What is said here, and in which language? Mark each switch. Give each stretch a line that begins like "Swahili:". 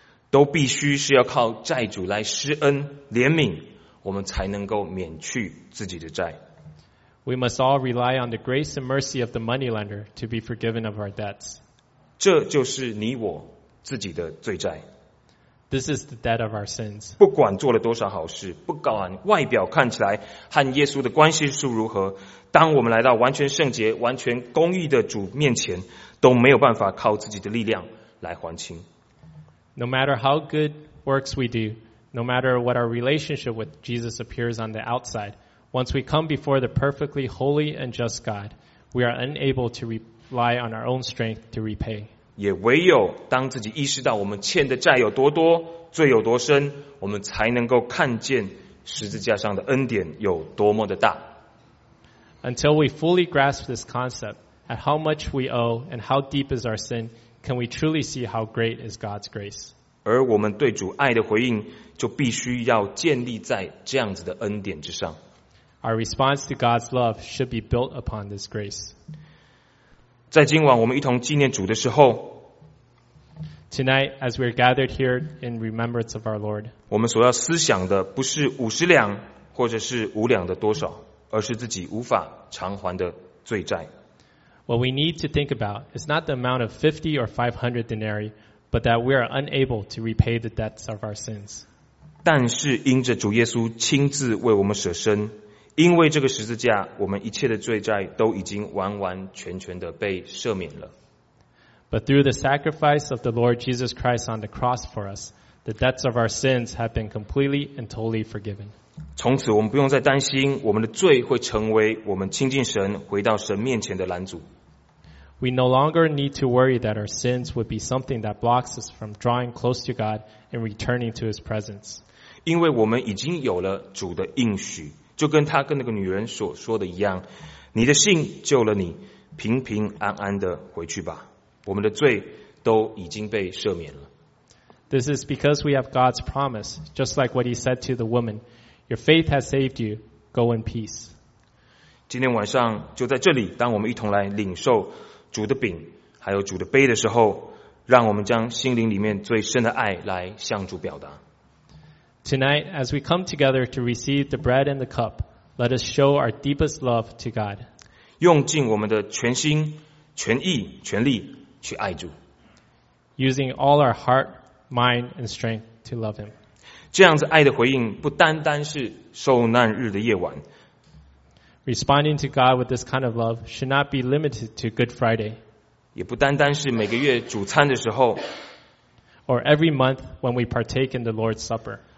Chinese: 都必须是要靠债主来施恩怜悯，我们才能够免去自己的债。
English: We must all rely on the grace and mercy of the money lender to be forgiven of our debts.
Chinese: 这就是你我自己的罪债。
English: This is the debt of our sins.
Chinese: 不管做了多少好事，不管外表看起来和耶稣的关系是如何，当我们来到完全圣洁、完全公义的主面前，都没有办法靠自己的力量来还清。
English: No matter how good works we do, no matter what our relationship with Jesus appears on the outside, once we come before the perfectly holy and just God, we are unable to rely on our own strength to repay.
Chinese: 也唯有当自己意识到我们欠的债有多多、罪有多深，我们才能够看见十字架上的恩典有多么的大。
English: Until we fully grasp this concept, at how much we owe and how deep is our sin, can we truly see how great is God's grace?
Chinese: 而我们对主爱的回应就必须要建立在这样子的恩典之上。
English: Our response to God's love should be built upon this grace.
Chinese: 在今晚我们一同纪念主的时候，
English: Tonight, as we are gathered here in remembrance of our Lord,
Chinese: 我们所要思想的不是五十两或者是五两的多少，而是自己无法偿还的罪债。
English: What we need to think about is not the amount of 50 or 500 denarii, but that we are unable to repay the debts of our sins.
Chinese: 但是因着主耶稣亲自为我们舍身，因为这个十字架，我们一切的罪债都已经完完全全的被赦免了。
English: But through the sacrifice of the Lord Jesus Christ on the cross for us, the debts of our sins have been completely and totally forgiven.
Chinese: 从此我们不用再担心我们的罪会成为我们亲近神、回到神面前的拦阻。
English: We no longer need to worry that our sins would be something that blocks us from drawing close to God and returning to His presence.
Chinese: 因为我们已经有了主的应许，就跟他跟那个女人所说的一样，你的信救了你，平平安安的回去吧。我们的罪都已经被赦免了。
English: This is because we have God's promise, just like what He said to the woman, "Your faith has saved you. Go in peace."
Chinese: 今天晚上就在这里，当我们一同来领受主的饼，还有主的杯的时候，让我们将心灵里面最深的爱来向主表达。
English: Tonight, as we come together to receive the bread and the cup, let us show our deepest love to God.
Chinese: 用尽我们的全心、全意、全力去爱主。
English: Using all our heart, mind, and strength to love Him.
Chinese: 这样子爱的回应不单单是受难日的夜晚。
English: Responding to God with this kind of love should not be limited to Good Friday.
Chinese: 也不单单是每个月主餐的时候。
English: Or every month when we partake in the Lord's Supper.